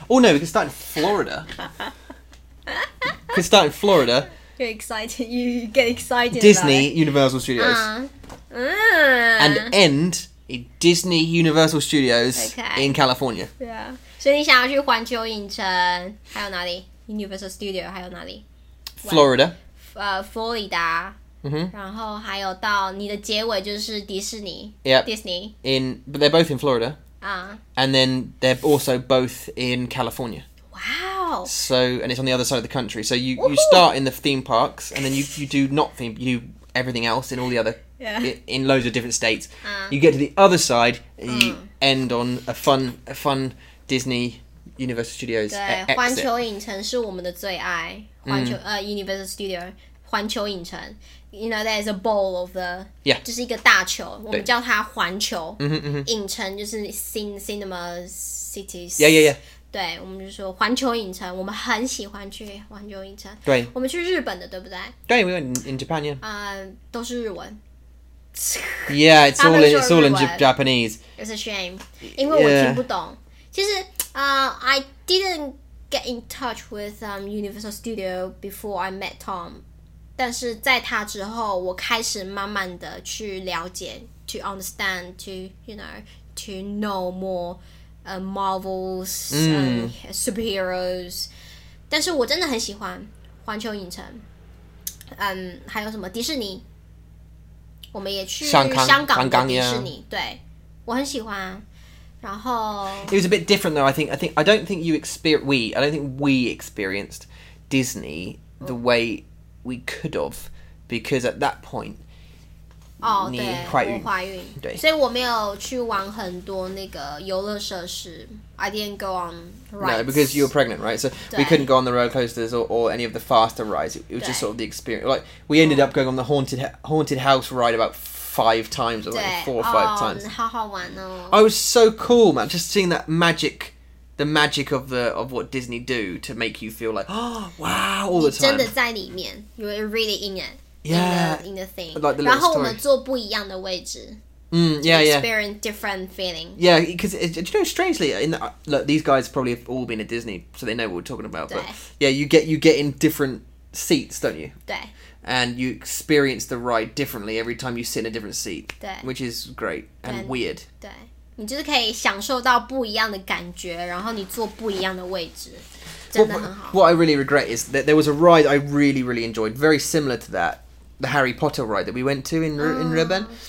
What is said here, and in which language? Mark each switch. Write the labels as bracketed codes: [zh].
[en] Oh, no, we could start in Florida. We could start in Florida. You're excited. You get excited. Disney Universal Studios. And end in Disney Universal Studios in California. Yeah. So you want to go to 环球影城, where else? [zh] Universal Studio 还有哪里 [en] ？Florida， [zh] 佛罗里达。然后还有到你的结尾就是迪士尼。 [en] Yeah， Disney。 In， but they're both in Florida。 And then they're also both in California。 Wow。 So and it's on the other side of the country. So you start in the theme parks and then you do not theme you everything else in all the other in loads of different states. You get to the other side and you end on a fun Disney. Universal Studios. [zh] 对，环球影城是我们的最爱。 [en] Universal Studio 环球影城 ，you know there's a bowl of the yeah， [zh] 就是一个大球，我们叫它环球。影城就是 cinema cities。 [en] Yeah. [zh] 对，我们就说环球影城，我们很喜欢去环球影城。对，我们去日本的，对不对？ [en] 对 ，we went in Japan. Yeah. [zh] 都是日文。 [en] Yeah, it's all in Japanese. It's a shame, 因为我听不懂。其实。 I didn't get in touch with Universal Studio before I met Tom. [zh] 但是在他之后，我开始慢慢的去了解 ， to understand, to you know, to know more, Marvels, superheroes. 但是我真的很喜欢环球影城。还有什么迪士尼？我们也去香港的迪士尼。对，我很喜欢。然后 [en] it was a bit different though. I don't think we experienced Disney the way we could have, because at that point, [zh] 你怀孕，我怀孕，对，所以我没有去玩很多那个游乐设施。 [en] I didn't go on rides. No, because you were pregnant, right? So we couldn't go on the roller coasters or any of the faster rides. It was just sort of the experience. Like we ended up going on the haunted house ride about. Five times or like four or five times. [zh] 好好玩哦！ [en] I was so cool, man. Just seeing that magic, the magic of what Disney do to make you feel like, oh wow, all the time. 真的在里面 you were really in it. Yeah, in the thing. Like the [zh] 然后我们坐不一样的位置。 [en] Experience different feeling. Yeah, because you know, strangely, in the, look, these guys probably have all been at Disney, so they know what we're talking about. But yeah, you get in different seats, don't you? [zh] 对。 [en] And you experience the ride differently every time you sit in a different seat, which is great and weird. [zh] 对，你就是可以享受到不一样的感觉，然后你坐不一样的位置，真的很好。 [en] What I really regret is that there was a ride I really, really enjoyed, very similar to that, the Harry Potter ride that we went to in Ribbon.